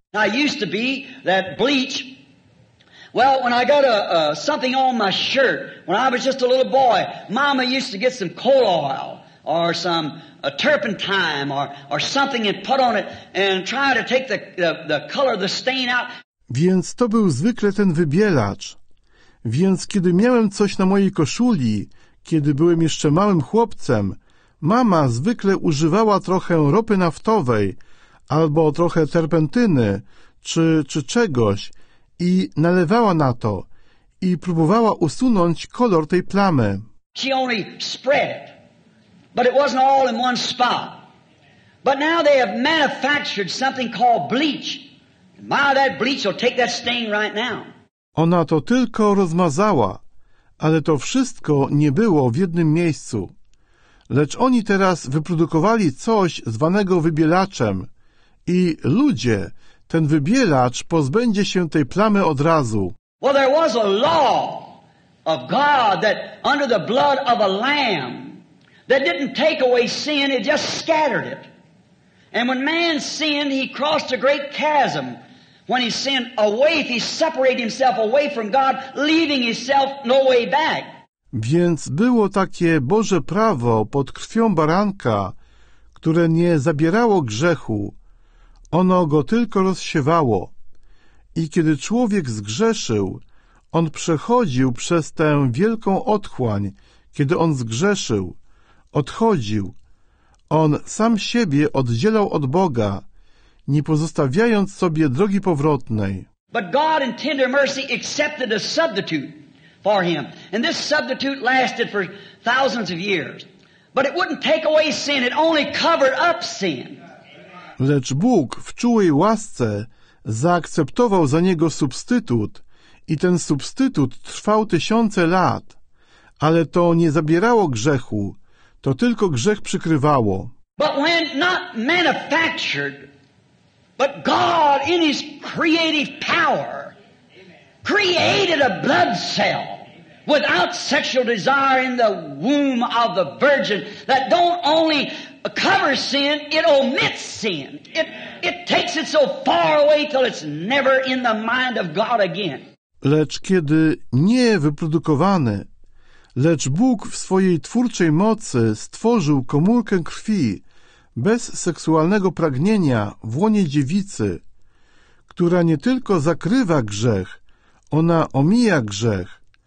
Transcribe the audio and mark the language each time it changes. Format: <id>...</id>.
<en>Now it used to be that bleach. Well, when I got something on my shirt, when I was just a little boy, mama used to get some coal oil or some turpentine or something and put on it and try to take the color, the stain out.</en> <pl>Więc to był zwykle ten wybielacz. Więc kiedy miałem coś na mojej koszuli, kiedy byłem jeszcze małym chłopcem, mama zwykle używała trochę ropy naftowej albo trochę terpentyny czy czegoś i nalewała na to i próbowała usunąć kolor tej plamy.</pl> <en>She only spread it. But it wasn't all in one spot. But now they have manufactured something called bleach. My, that bleach will take that stain right now.</en> <pl>Ona to tylko rozmazała, ale to wszystko nie było w jednym miejscu. Lecz oni teraz wyprodukowali coś zwanego wybielaczem i ludzie, ten wybielacz pozbędzie się tej plamy od razu.</pl> <en>Well, there was a law of God that under the blood of a lamb that didn't take away sin, it just scattered it. And when man sinned, he crossed a great chasm. When he sinned away, he separated himself away from God, leaving himself no way back.</en> <pl>Więc było takie Boże prawo pod krwią baranka, które nie zabierało grzechu. Ono go tylko rozsiewało. I kiedy człowiek zgrzeszył, on przechodził przez tę wielką otchłań, kiedy on zgrzeszył, odchodził. On sam siebie oddzielał od Boga, nie pozostawiając sobie drogi powrotnej.</pl> <en>But God in tender mercy accepted a substitute for him. And this substitute lasted for thousands of years. But it wouldn't take away sin, it only covered up sin.</en> <pl>Lecz Bóg w czułej łasce zaakceptował za niego substytut i ten substytut trwał tysiące lat, ale to nie zabierało grzechu, to tylko grzech przykrywało.</pl> <en>But when not manufactured, but God in his creative power created a blood cell without sexual desire in the womb of the virgin that don't only cover sin, it omits sin. It takes it so far away till it's never in the mind of God again.</en> <pl>Lecz kiedy nie wyprodukowany, lecz Bóg w swojej twórczej mocy stworzył komórkę krwi bez seksualnego pragnienia w łonie dziewicy, która nie tylko zakrywa grzech, ona omija grzech.</pl>